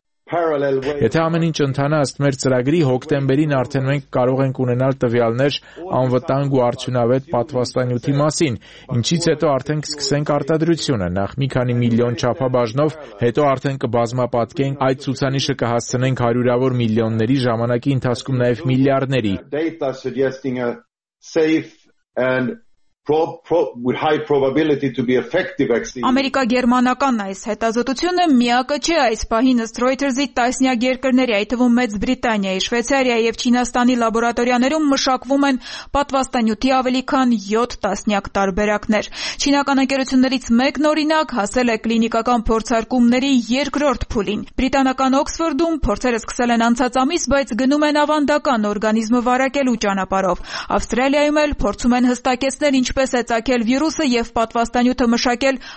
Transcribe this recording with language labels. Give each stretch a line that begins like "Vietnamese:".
Armenian: Եթե ամեն ինչ ընթանա ըստ մեր ծրագրի, հոկտեմբերին արդեն մենք կարող ենք ունենալ տվյալներ անվտանգ ու արդյունավետ պատվաստանյութի մասին, ինչից հետո արդեն կսկսենք արտադրությունը, նախ մի քանի միլիոն չափաբաժնով, հետո արդեն կբազմապատկենք, այդ ցուցանիշը կհասցնենք հարյուրավոր միլիոնների, ժամանակի ընթացքում նաև միլիարդների։
English: and with high probability to be effective vaccine.
Armenian: Ամերիկա գերմանական այս հետազոտությունը միակը չէ այս պահին ըստ Reuters-ի տասնյակ երկրների, այդ թվում Մեծ Բրիտանիայի, Շվեյցարիայի եւ Չինաստանի լաբորատորիաներում մշակվում են պատվաստանյութի ավելի քան 7 տասնյակ տարբերակներ։ Չինական ընկերություններից մեկն օրինակ հասել է կլինիկական փորձարկումների երկրորդ փուլին։ Բրիտանական Օքսֆորդում փորձերը սկսել են անցած ամիս, բայց գնում են ավանդական օրգանիզմը վարակելու ճանապարհով։ Ավստրալիայում էլ փորձում են հստակեցնել ինչպես է ծակել վիրուսը եւ պատվաստանյութը մշակել